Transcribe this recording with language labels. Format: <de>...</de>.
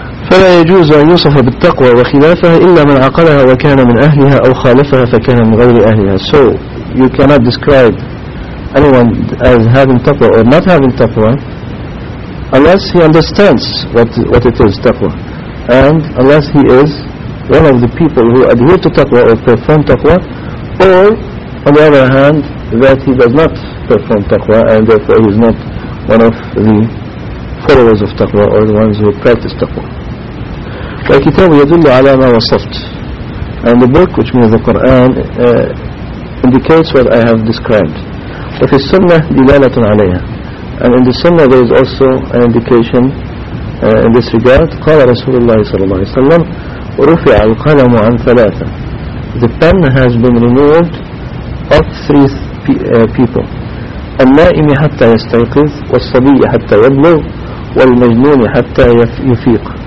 <ar>فلا يجوز أن يوصف بالتقوى وخلافها إلا من عقلها وكان من أهلها أو خالفها فكان من غير أهلها.</ar> <en>So you cannot describe anyone as having taqwa or not having taqwa unless he understands what it is, taqwa, and unless he is one of the people who adhere to taqwa or perform taqwa, or on the other hand that he does not perform taqwa and therefore he is not one of the followers of taqwa or the ones who practice taqwa.</en> <ar>الكتاب يدل على ما وصفت,</ar> <en>and the book, which means the Quran, indicates what I have described.</en> <ar>وفي السنة دلالة عليها,</ar> <en>and in the Sunnah there is also an indication in this regard,</en> <ar>قال رسول الله صلى الله عليه وسلم رفع القلم عن ثلاثة.</ar> <en>The pen has been removed of three people.</en> <ar>النائم حتى يستيقظ والصبي حتى يبلغ والمجنون حتى يفيق.</ar>